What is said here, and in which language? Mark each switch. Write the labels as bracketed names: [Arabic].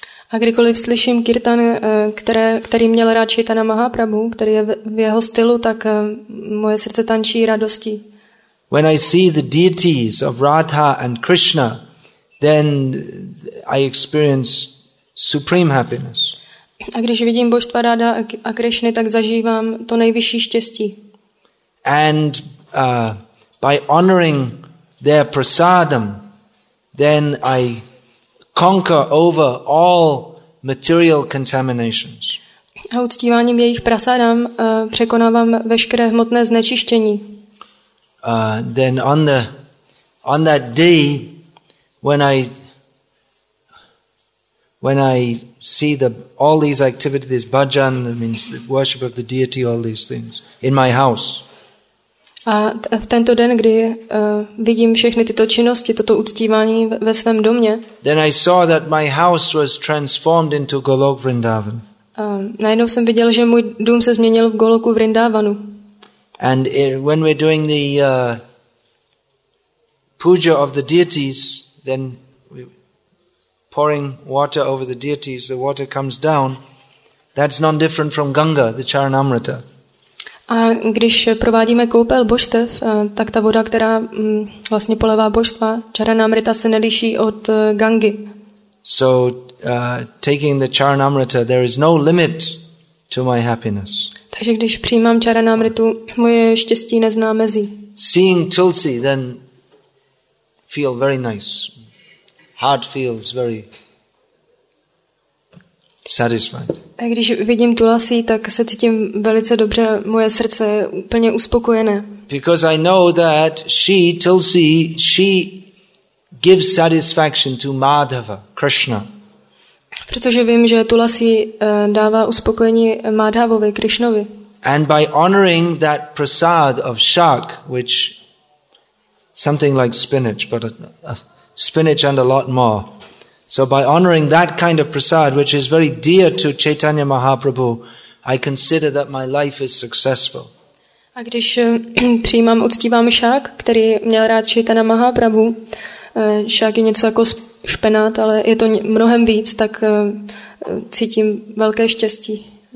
[Czech] A kdykoliv slyším kirtan, který měl rád Chaitanya Mahaprabhu, který je v jeho stylu, tak moje srdce tančí radostí. [English] When I see the deities of Radha and Krishna, then I experience supreme happiness. [Czech] A když vidím božstva Radha a Krishny, tak zažívám to nejvyšší štěstí. [English] And by honoring their prasadam, then I conquer over all material contaminations. [Czech] A uctíváním jejich prasadam překonávám veškeré hmotné znečištění. [English] Then on that day when I see all these activities, this bhajan, that means the worship of the deity, all these things in my house. [Czech] A v tento den, kdy vidím všechny tyto činnosti, toto uctívání ve svém domě. [English] Then I saw that my house was transformed into Golok Vrindavan. [Czech] Najednou jsem viděl, že můj dům se změnil v Goloku Vrindavanu. [English] And when we're doing the puja of the deities, then we're pouring water over the deities, the water comes down. That's none different from Ganga, the Charanamrita. [Czech] A když provádíme koupel božstev, tak ta voda, která vlastně polevá božstva, Charanamrita, se neliší od Gangy. [English] So taking the Charanamrita, there is no limit to my happiness. [Czech] Takže když přijímám Charanamritu, moje štěstí nezná mezí. [English] Seeing Tulsi, then feel very nice. Heart feels very satisfied. [Czech] A když vidím tulasi, tak se cítím velice dobře, moje srdce je úplně uspokojené. [English] Because I know that she, Tulsi, she gives satisfaction to Madhava, Krishna. [Czech] Protože vím, že tulasi dává uspokojení Madhavovi, Krishnovi. [English] And by honoring that prasad of shak, which something like spinach, but a spinach and a lot more. So by honoring that kind of prasad, which is very dear to Chaitanya Mahaprabhu, I consider that my life is successful. [Czech] A když přijímám, uctívám šák, který měl rád Chaitanya Mahaprabhu, šák je něco jako špenát, ale je to mnohem víc, tak cítím velké štěstí.